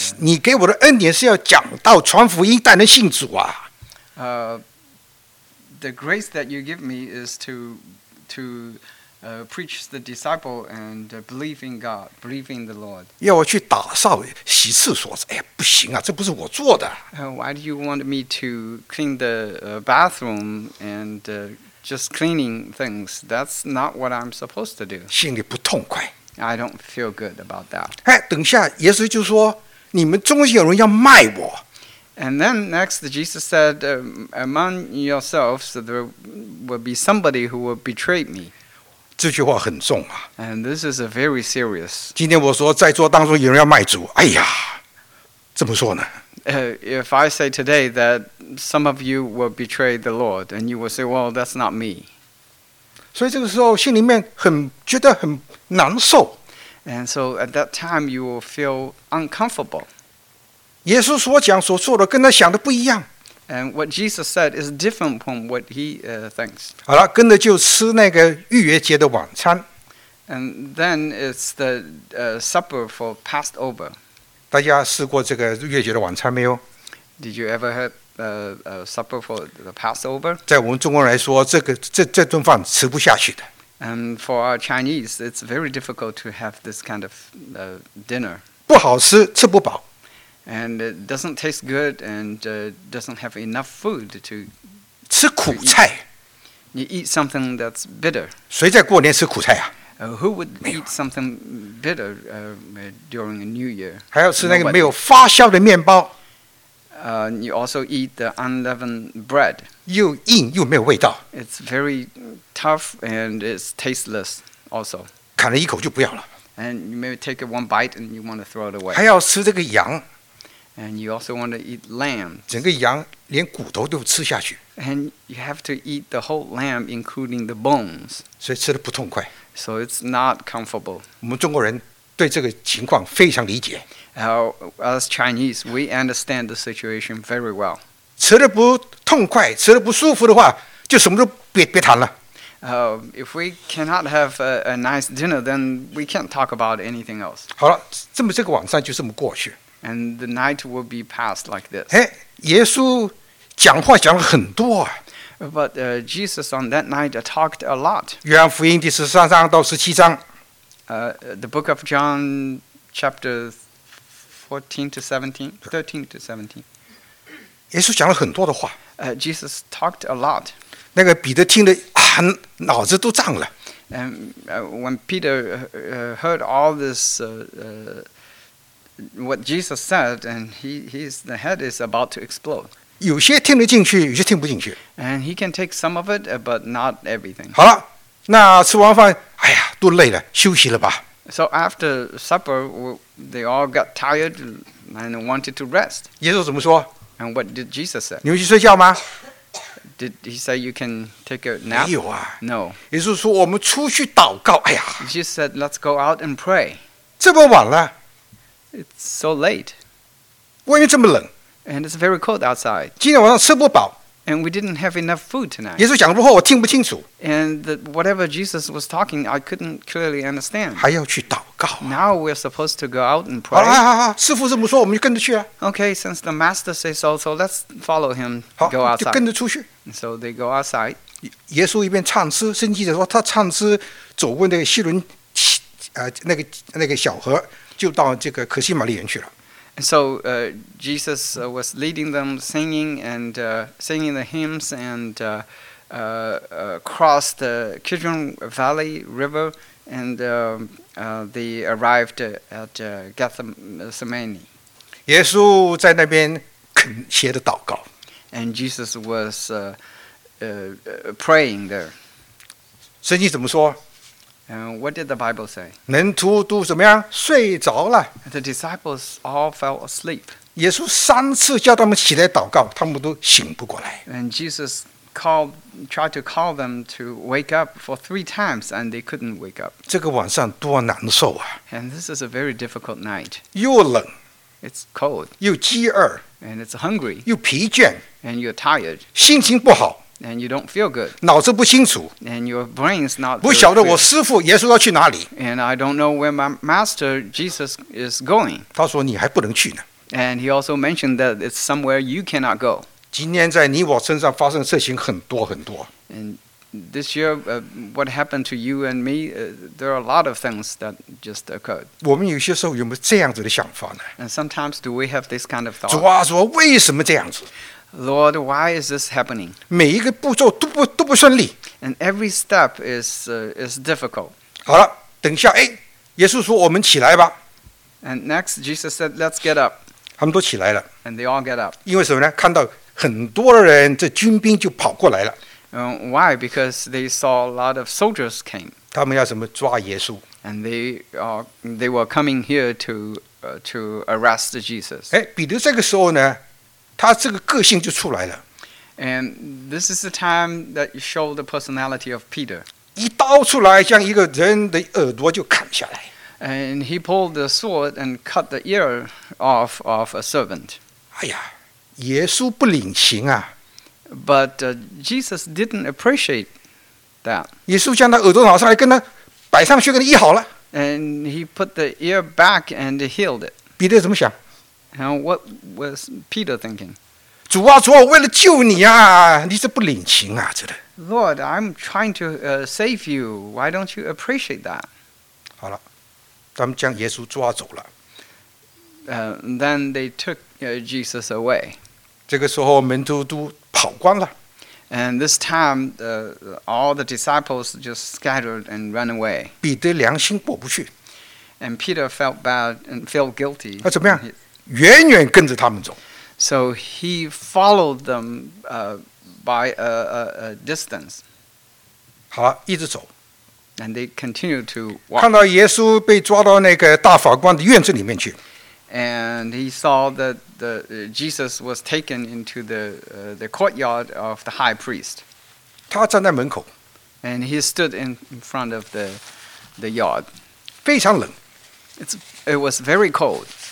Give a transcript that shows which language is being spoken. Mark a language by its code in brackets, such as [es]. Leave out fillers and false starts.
[zh] 你给我的恩典是要讲道传福音带人信主啊。 [en] The grace that you give me is to preach the disciple and believe in God, believe in the Lord. [zh] 要我去打扫洗厕所，哎，不行啊，这不是我做的。 [en] Why do you want me to clean the bathroom and just cleaning things? That's not what I'm supposed to do. [zh] 心里不痛快。 [en] I don't feel good about that. [zh] 哎，等下，耶稣就说，你们中间有人要卖我。 [en] And then next, Jesus said, among yourselves, there will be somebody who will betray me. [zh] 这句话很重啊。 [en] And this is a very serious. [zh] 今天我说在座当中有人要卖主，哎呀，怎么说呢？ [en] If I say today that some of you will betray the Lord, and you will say, well, that's not me. [zh] 所以这个时候心里面很觉得很难受。 [en] And so at that time, you will feel uncomfortable. [zh] 耶稣所讲所做的跟他想的不一样。 [en] And what Jesus said is different from what he thinks. [zh] 好了，跟着就吃那个逾越节的晚餐。 [en] And then it's the supper for Passover. [zh] 大家试过这个逾越节的晚餐没有？ [en] Did you ever have supper for the Passover? [zh] 在我们中国人来说，这顿饭吃不下去的。 [en] And for our Chinese, it's very difficult to have this kind of dinner. [zh] 不好吃，吃不饱。 [en] And it doesn't taste good, and doesn't have enough food to [zh] 吃苦菜 [en] eat. You eat something that's bitter. [zh] 谁在过年吃苦菜啊？ [en] Who would eat something bitter during a New Year? [zh] 还要吃那个没有发酵的面包。 [en] You also eat the unleavened bread. [zh] 又硬又没有味道。 [en] It's very tough and it's tasteless also. [zh] 砍了一口就不要了。 [en] And you may take one bite and you want to throw it away. [zh] 还要吃这个羊。 [en] And you also want to eat lamb. [zh] 整个羊连骨头都吃下去。 [en] And you have to eat the whole lamb, including the bones. [zh] 所以吃得不痛快。 [en] So it's not comfortable. [zh] 我们中国人对这个情况非常理解。 [en] As Chinese, we understand the situation very well. [zh] 吃得不痛快，吃得不舒服的话，就什么都别谈了。 [en] If we cannot have a nice dinner, then we can't talk about anything else. [zh] 好了，这么这个晚上就这么过去。 [en] And the night will be passed like this. [zh] 哎，耶稣讲话讲了很多啊。 [en] But Jesus on that night talked a lot. [zh] 约翰福音第十三章到十七章。 [en] The book of John, chapter 13 to 17. [zh] 耶稣讲了很多的话。 [en] Jesus talked a lot. [zh] 那个彼得听得脑子都胀了。 [en] And when Peter heard all this. What Jesus said, and the head is about to explode. [zh] 有些听得进去，有些听不进去。 [en] And he can take some of it, but not everything. [zh] 好了，那吃完饭，哎呀，都累了，休息了吧。 [en] So after supper, they all got tired and wanted to rest. [zh] 耶稣怎么说？ [en] And what did Jesus say? [zh] 你们去睡觉吗？ [en] Did he say you can take a nap? [zh] 没有啊。 [en] No. [zh] 耶稣说我们出去祷告。哎呀。 [en] Jesus said, "Let's go out and pray." [zh] 这么晚了。 [en] It's so late. [zh] 外面这么冷。 [en] And it's very cold outside. [zh] 今天晚上吃不饱。 [en] And we didn't have enough food tonight. [zh] 耶稣讲的话我听不清楚。 [en] And whatever Jesus was talking, I couldn't clearly understand. [zh] 还要去祷告啊。 [en] Now we're supposed to go out and pray. [zh] 好，师父这么说，我们就跟着去啊。 [en] Okay, since the master says so, let's follow him, go outside. [zh] 好，就跟着出去。 [en] So they go outside. [zh] 耶稣一边唱诗，圣经记载说他唱诗走过那个希伦，那个小河。就到这个可西马利园去了。 [en] So Jesus was leading them singing and singing the hymns and crossed the Kidron Valley River and they arrived at Gethsemane. [zh] 耶稣在那边恳切的祷告。 [en] And Jesus was praying there. [zh] 圣经怎么说？ [en] And what did the Bible say? [zh] 门徒都怎么样？睡着了。 [en] The disciples all fell asleep. [zh] 耶稣三次叫他们起来祷告，他们都醒不过来。 [en] And Jesus tried to call them to wake up for three times, and they couldn't wake up. [zh] 这个晚上多难受啊！ [en] And this is a very difficult night. [zh] 又冷。 [en] It's cold. [zh] 又饥饿。 [en] And it's hungry. [zh] 又疲倦。 [en] And you're tired. [zh] 心情不好。 [en] And you don't feel good. [zh] 脑子不清楚。 [en] And your brain is not. [zh] 不晓得我师父耶稣要去哪里。 [en] And I don't know where my master Jesus is going. [zh] 他说你还不能去呢。 [en] And he also mentioned that it's somewhere you cannot go. [zh] 今天在你我身上发生事情很多很多。 [en] And this year, what happened to you and me, there are a lot of things that just occurred. [zh] 我们有些时候有没有这样子的想法呢？ [en] And sometimes do we have this kind of thought? [zh] 主啊，主啊，为什么这样子？ [en] Lord, why is this happening? [zh] 每一个步骤都不顺利。 [en] And every step is difficult. [zh] 好了，等一下，哎，耶稣说我们起来吧。 [en] And next, Jesus said, let's get up. [zh] 他们都起来了。 [en] And they all get up. [zh] 因为什么呢？看到很多人，这军兵就跑过来了。 [en] Why? Because they saw a lot of soldiers came. [zh] 他们要什么抓耶稣。 [en] And they were coming here to arrest Jesus. [zh] 哎，彼得这个时候呢？他这个个性就出来了。 [en] And this is the time that you show the personality of Peter. [zh] 一刀出来，像一个人的耳朵就砍下来。 [en] And he pulled the sword and cut the ear off of a servant. [zh] 哎呀，耶稣不领情啊。 [en] But Jesus didn't appreciate that. [zh] 耶稣将他耳朵拿上来，跟他摆上去，跟他医好了。 [en] And he put the ear back and healed it. [zh] 彼得怎么想？ [en] And what was Peter thinking? [zh] 主啊，主啊，我为了救你啊，你是不领情啊，真的。 [en] Lord, I'm trying to save you. Why don't you appreciate that? [zh] 好了，他们将耶稣抓走了。 [en] Then they took Jesus away. [zh] 这个时候门徒都跑光了。 [en] And this time, all the disciples just scattered and ran away. [zh] 彼得良心过不去。 [en] And Peter felt bad and felt guilty. [zh] 那怎么样？远远跟着他们走。 [en] So he followed them by a distance. [zh] 好，一直走。 [en] And they continued to walk. [zh] 看到耶稣被抓到那个大法官的院子里面去。 [en] And he saw that Jesus was taken into the courtyard of the high priest. [zh] 他站在门口。 [en] And he stood in front of the yard. [zh] 非常冷。 [en] It was very cold.